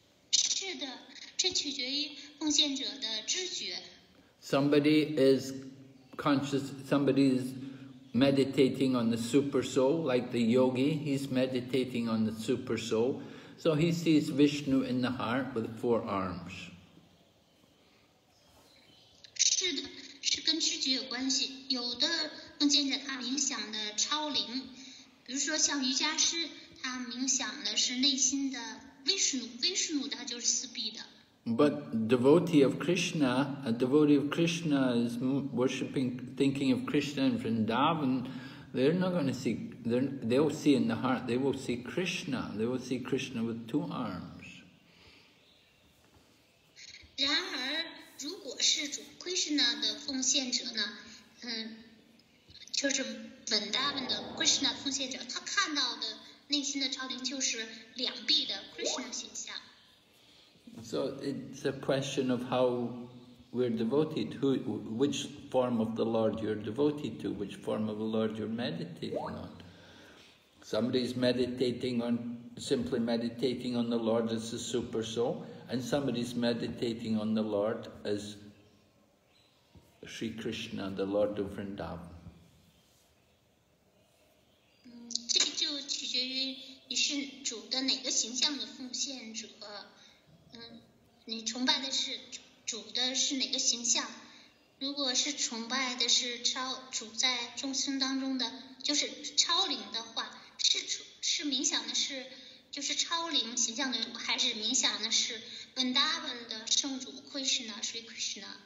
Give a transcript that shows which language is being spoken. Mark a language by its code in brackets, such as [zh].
[zh] 是的，这取决于奉献者的知觉。 [en] Somebody is conscious, somebody is meditating on the super soul, like the yogi, he's meditating on the super soul. So he sees Vishnu in the heart with four arms. [zh] 是的，是跟知觉有关系。有的奉献者他冥想的超灵，比如说像瑜伽师，他冥想的是内心的Vishnu，他就是四臂的。 [en] But a devotee of Krishna is worshipping, thinking of Krishna in Vrindavan, they're not going to see, they'll see in the heart, they will see Krishna, they will see Krishna with two arms. [zh] 然而如果是主 Krishna 的奉献者呢，就是 Vrindavan 的 Krishna 奉献者，他看到的内心的超灵就是两臂的 Krishna 形象。 [en] So it's a question of how we're devoted, which form of the Lord you're devoted to, which form of the Lord you're meditating on. Somebody's simply meditating on the Lord as the super soul, and somebody's meditating on the Lord as Sri Krishna, the Lord of Vrindavan. [zh] 这就取决于你是主的哪个形象的奉献者。你崇拜的是主的是哪个形象？如果是崇拜的是超主在众生当中的，就是超灵的话，是冥想的是就是超灵形象的，还是冥想的是本达本的圣主 Krishna Sri Krishna？